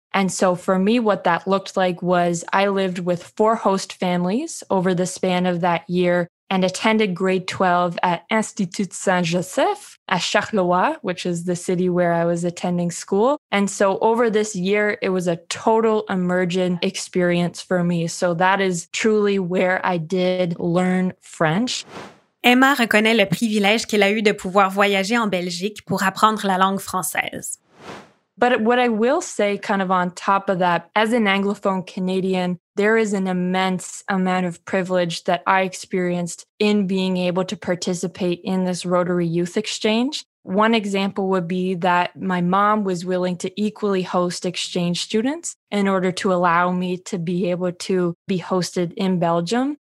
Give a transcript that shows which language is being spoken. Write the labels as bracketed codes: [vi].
[en] And so for me, what that looked like was I lived with four host families over the span of that year and attended grade 12 at Institut Saint-Joseph at Charleroi, which is the city where I was attending school. And so over this year, it was a total immersion experience for me. So that is truly where I did learn French. [fr] Emma reconnaît le privilège qu'elle a eu de pouvoir voyager en Belgique pour apprendre la langue française. [en] But what I will say kind of on top of that, as an Anglophone Canadian, there is an immense amount of privilege that I experienced in being able to participate in this Rotary Youth Exchange. One example would be that my mom was willing to equally host exchange students in order to allow me to be able to be hosted in Belgium.